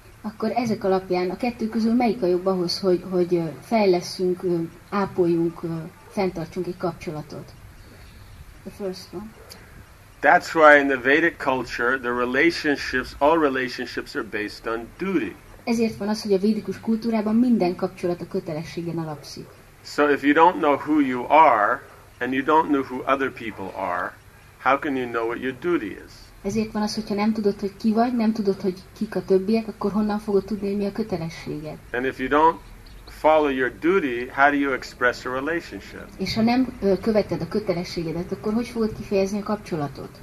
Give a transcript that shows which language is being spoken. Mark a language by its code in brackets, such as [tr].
[hu] Akkor ezek alapján a kettő közül melyik a jobb ahhoz, hogy fejleszünk, ápoljunk, fenntartsunk egy kapcsolatot? [en] The first one. That's why in the Vedic culture, the relationships, all relationships are based on duty. [hu] Ezért van az, hogy a védikus kultúrában minden kapcsolat a kötelességen alapszik. [en] So if you don't know who you are, and you don't know who other people are, how can you know what your duty is? [hu] Ezért van az, hogyha nem tudod, hogy ki vagy, nem tudod, hogy kik a többiek, akkor honnan fogod tudni, mi a kötelességed? [en] And if you don't follow your duty, how do you express a relationship? [hu] És ha nem követed a kötelességedet, akkor hogy fogod kifejezni a kapcsolatot?